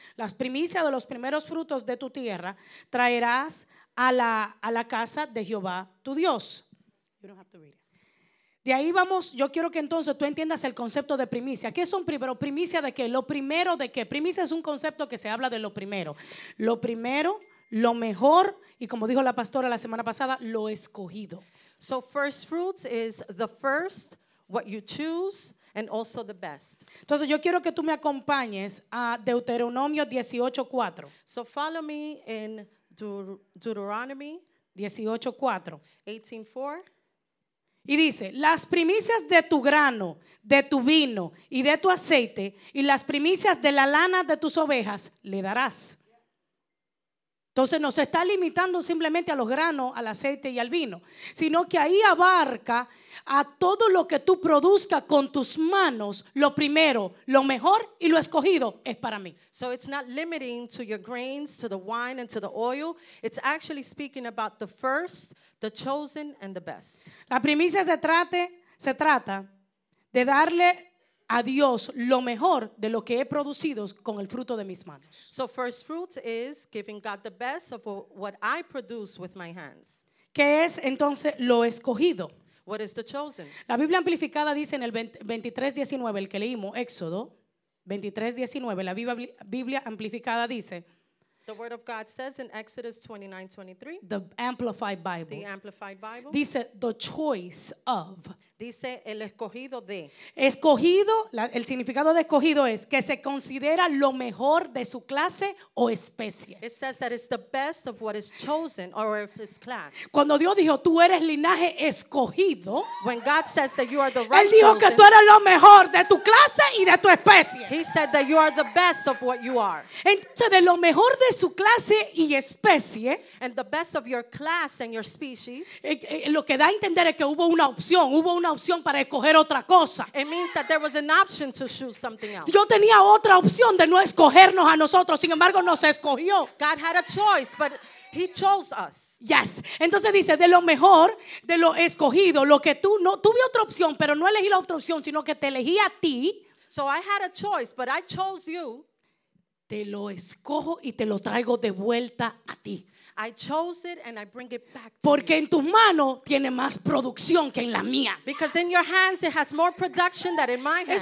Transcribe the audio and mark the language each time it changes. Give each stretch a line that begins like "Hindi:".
Spanish: Las primicias de los primeros frutos de tu tierra traerás a la casa de Jehová, tu Dios.
English: You don't have to read it.
Spanish: De ahí vamos, yo quiero que entonces tú entiendas el concepto de primicia. ¿Qué son primero? ¿Primicia de qué? ¿Lo primero de qué? Primicia es un concepto que se habla de lo primero. Lo primero, lo mejor y como dijo la pastora la semana pasada, lo escogido.
English: So first fruits is the first, what you choose. And also the best.
Spanish: Entonces yo quiero que tú me acompañes a Deuteronomio 18:4.
English: So follow me in Deuteronomy 18:4. 18:4.
Spanish: Y dice: las primicias de tu grano, de tu vino y de tu aceite, y las primicias de la lana de tus ovejas le darás. Entonces no se está limitando simplemente a los granos, al aceite y al vino, sino que ahí abarca a todo lo que tú produzcas con tus manos, lo primero, lo mejor y lo escogido es para mí.
English: So it's not limiting to your grains, to the wine and to the oil. It's actually speaking about the first, the chosen and the best.
Spanish: La primicia se trata de darle a Dios lo mejor de lo que he producido con el fruto de mis manos.
English: So first fruits is giving God the best of what I produce with my hands.
Spanish: ¿Qué es entonces lo escogido?
English: What is the chosen?
Spanish: La Biblia Amplificada dice en el 23:19, el que leímos, Éxodo 23:19, la Biblia Amplificada dice.
English: The Word of God says in Exodus 29:23. The Amplified Bible. The Amplified Bible. Dice the choice of.
Spanish: Dice el escogido de. Escogido, el significado de escogido es que se considera lo mejor de su clase o especie.
English: It says that it's the best of what is chosen or of its class.
Spanish: Cuando Dios dijo tú eres linaje escogido,
English: when God says that you are the right,
Spanish: él dijo
English: chosen,
Spanish: que tú eres lo mejor de tu clase y de tu especie.
English: He said that you are the best of what you are.
Spanish: Entonces de lo mejor de su clase y especie,
English: and the best of your class and your species,
Spanish: lo que da a entender es que hubo una opción para escoger otra cosa.
English: It means that there was an option to choose something else.
Spanish: Yo tenía otra opción de no escogernos a nosotros, sin embargo nos escogió.
English: God had a choice, but he chose us. Yes.
Spanish: Entonces dice de lo mejor, de lo escogido, lo que tú no tuve otra opción, pero no elegí la otra opción, sino que te elegí a ti.
English: So I had a choice, but I chose you.
Spanish: Te lo escojo y te lo traigo de vuelta a ti.
English: I chose it and I bring it back to
Spanish: porque
English: you.
Spanish: En tus manos tiene más producción que en la mía.
English: Because in your hands it has more production than in my hands.